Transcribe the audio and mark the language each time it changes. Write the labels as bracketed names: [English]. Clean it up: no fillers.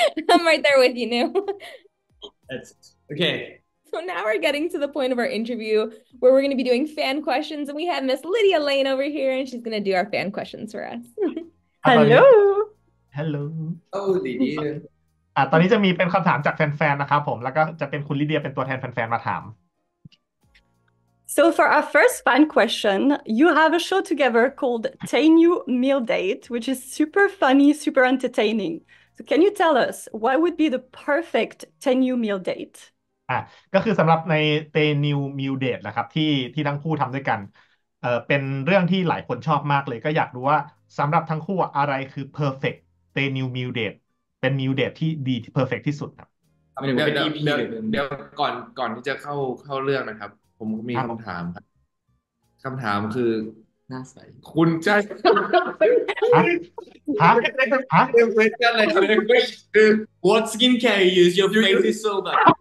[English] I'm right there with you, New. That's okay. So now we're getting to the point of our interview where we're going to be doing fan questions, and we have Miss Lydia Lane over here, and she's going to do our fan questions for us. Hello. Hello. Oh, Lydia. [Thai] ตอนนี้จะมีเป็นคำถามจากแฟนๆนะครับผมแล้วก็จะเป็นคุณลิเดียเป็นตัวแทนแฟนๆมาถาม [English] So for our first fan question you have a show together called TayNew Meal Date which is super funny super entertaining so can you tell us what would be the perfect TayNew Meal Date [Thai] ก็คือสำหรับใน TayNew Meal Date นะครับที่ทั้งคู่ทำด้วยกันเป็นเรื่องที่หลายคนชอบมากเลยก็อยากรู้ว่าสำหรับทั้งคู่อะไรคือ perfect TayNew Meal Dateเป็นมิวเดทที่ดีที่เพอร์เฟคที่สุดครับ เดี๋ยวก่อนที่จะเข้าเรื่องนะครับผมมีคำถามครับคำถามคือหน้าใสคุณใช่ฮะฮะ เป็นอะไรคือ [English] what skin care you use your face is so bad